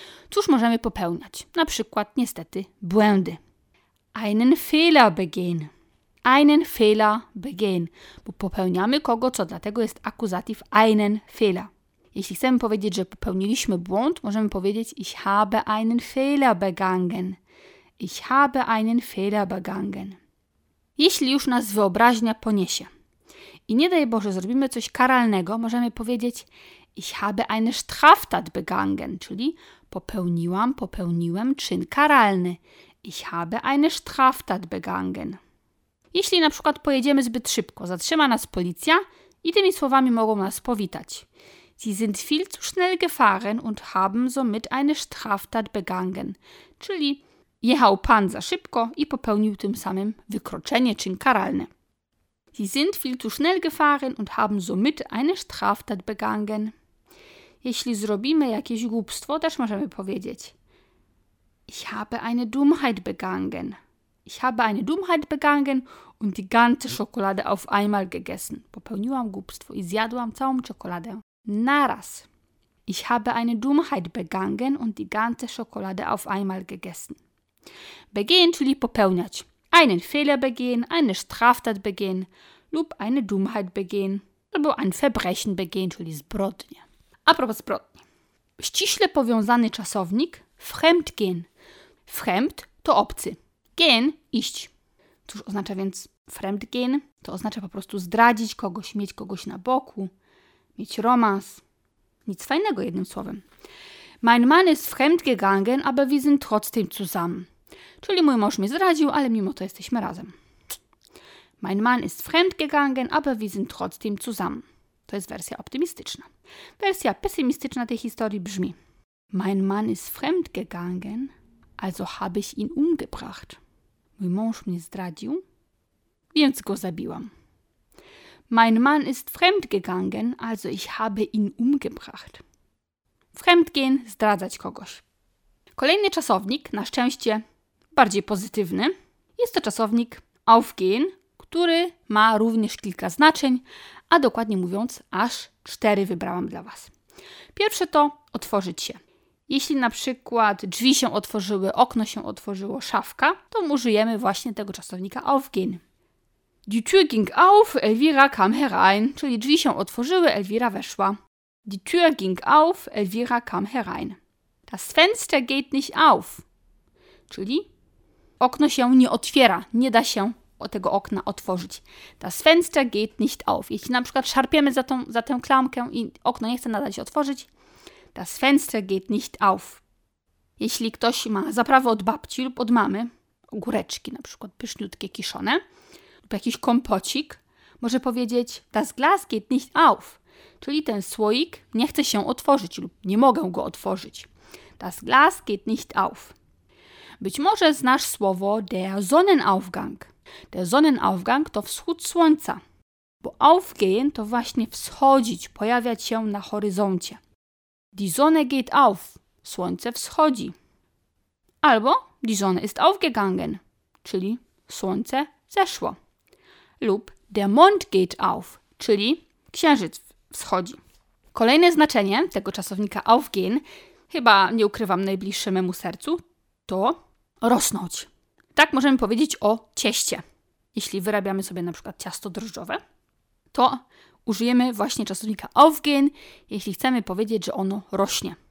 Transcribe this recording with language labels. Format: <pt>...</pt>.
<pl>Cóż możemy popełniać? Na przykład, niestety, błędy.</pl> <de>Einen Fehler begehen. Einen Fehler begehen.</de> <pl>Bo popełniamy kogo, co dlatego jest akuzativ</pl> <de>einen Fehler.</de> <pl>Jeśli chcemy powiedzieć, że popełniliśmy błąd, możemy powiedzieć</pl> <de>ich habe einen Fehler begangen. Ich habe einen Fehler begangen.</de> <pl>Jeśli już nas wyobraźnia poniesie i nie daj Boże zrobimy coś karalnego, możemy powiedzieć</pl> <de>ich habe eine Straftat begangen,</de> <pl>czyli popełniłem czyn karalny.</pl> <de>Ich habe eine Straftat begangen.</de> <pl>Jeśli na przykład pojedziemy zbyt szybko, zatrzyma nas policja i tymi słowami mogą nas powitać.</pl> <de>Sie sind viel zu schnell gefahren und haben somit eine Straftat begangen.</de> <pl>Czyli jechał pan za szybko i popełnił tym samym wykroczenie, czyn karalny.</pl> <de>Sie sind viel zu schnell gefahren und haben somit eine Straftat begangen.</de> <pl>Jeśli zrobimy jakieś głupstwo, też możemy powiedzieć.</pl> <de>Ich habe eine Dummheit begangen. Ich habe eine Dummheit begangen und die ganze Schokolade auf einmal gegessen.</de> <pl>Popełniłam głupstwo i zjadłam całą czekoladę. Naraz.</pl> <de>Ich habe eine Dummheit begangen und die ganze Schokolade auf einmal gegessen.</de> <pl>Begehen, czyli popełniać.</pl> <de>Einen Fehler begehen, eine Straftat begehen,</de> <pl>lub</pl> <de>eine Dummheit begehen,</de> <pl>albo</pl> <de>ein Verbrechen begehen,</de> <pl>czyli zbrodnie. A propos zbrodni. Ściśle powiązany czasownik fremdgehen. Fremd to obcy. Gehen, iść. Cóż oznacza więc fremdgehen? To oznacza po prostu zdradzić kogoś, mieć kogoś na boku. Mieć romans. Nic fajnego, jednym słowem.</pl> <de>Mein Mann ist fremdgegangen, aber wir sind trotzdem zusammen.</de> <pl>Czyli mój mąż mnie zdradził, ale mimo to jesteśmy razem.</pl> <de>Mein Mann ist fremdgegangen, aber wir sind trotzdem zusammen.</de> <pl>To jest wersja optymistyczna. Wersja pesymistyczna tej historii brzmi.</pl> <de>Mein Mann ist fremdgegangen, also habe ich ihn umgebracht.</de> <pl>Mój mąż mnie zdradził, więc go zabiłam.</pl> <de>Mein Mann ist fremdgegangen, also ich habe ihn umgebracht.</de> <pl>Fremdgehen, zdradzać kogoś. Kolejny czasownik, na szczęście bardziej pozytywny, jest to czasownik aufgehen, który ma również kilka znaczeń, a dokładnie mówiąc, aż 4 wybrałam dla was. Pierwsze to otworzyć się. Jeśli na przykład drzwi się otworzyły, okno się otworzyło, szafka, to użyjemy właśnie tego czasownika aufgehen.</pl> <de>Die Tür ging auf, Elvira kam herein.</de> <pl>Czyli drzwi się otworzyły, Elvira weszła.</pl> <de>Die Tür ging auf, Elvira kam herein.</de> <pl>Ta</pl> <de>Das Fenster geht nicht auf.</de> <pl>Czyli okno się nie otwiera. Nie da się tego okna otworzyć.</pl> <de>Das Fenster geht nicht auf.</de> <pl>Jeśli na przykład szarpiemy za tę klamkę i okno nie chce nadal się otworzyć.</pl> <de>Das Fenster geht nicht auf.</de> <pl>Jeśli ktoś ma zaprawę od babci lub od mamy, ogóreczki na przykład, pyszniutkie, kiszone, lub jakiś kompocik, może powiedzieć</pl> <de>Das Glas geht nicht auf.</de> <pl>Czyli ten słoik nie chce się otworzyć lub nie mogę go otworzyć.</pl> <de>Das Glas geht nicht auf.</de> <pl>Być może znasz słowo</pl> <de>der Sonnenaufgang.</de> <pl>Der Sonnenaufgang to wschód słońca, bo aufgehen to właśnie wschodzić, pojawiać się na horyzoncie.</pl> <de>Die Sonne geht auf.</de> <pl>Słońce wschodzi. Albo</pl> <de>die Sonne ist aufgegangen,</de> <pl>czyli słońce zeszło. Lub</pl> <de>der Mond geht auf,</de> <pl>czyli księżyc wschodzi. Kolejne znaczenie tego czasownika aufgehen, chyba nie ukrywam najbliższe memu sercu, to rosnąć. Tak możemy powiedzieć o cieście. Jeśli wyrabiamy sobie na przykład ciasto drożdżowe, to użyjemy właśnie czasownika aufgehen, jeśli chcemy powiedzieć, że ono rośnie.</pl>